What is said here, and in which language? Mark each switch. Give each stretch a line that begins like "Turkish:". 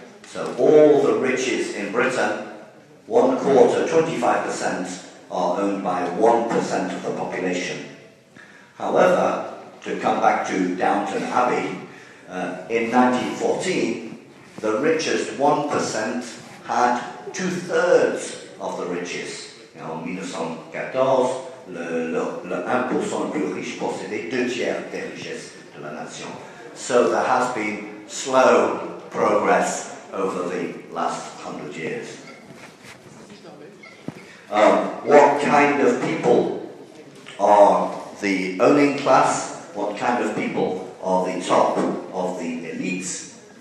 English: So all the riches in Britain, one quarter, 25%, are owned by 1% of the population. However, to come back to Downton Abbey, in 1914, the richest 1% had two-thirds of the riches.
French: Now, en 1914, le 1% le plus riche possédait deux tiers des richesses de la nation.
English: So there has been slow progress over the last 100 years. What kind of people are the owning class? What kind of people are the top of the elites?